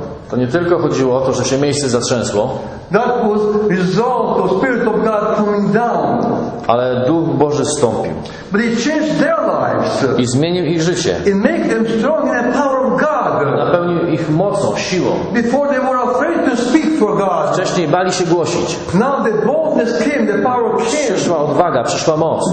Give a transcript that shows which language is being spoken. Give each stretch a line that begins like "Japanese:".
Polish: To nie tylko chodziło o to, że się miejsce zatrzęsło.
English: That was result of Spirit of God coming down.
Polish: Ale Duch Boży zstąpił.
English: But it changed their lives.
Polish: I zmienił ich życie.
English: It made them strong in the power of God.
Polish: Napełnił ich mocą, siłą.
English: Before they were afraid to speak for God.
Polish: Wcześniej bali się głosić.
English: Now the boldness came, the power came.
Polish: Przyszła odwaga, przyszła moc.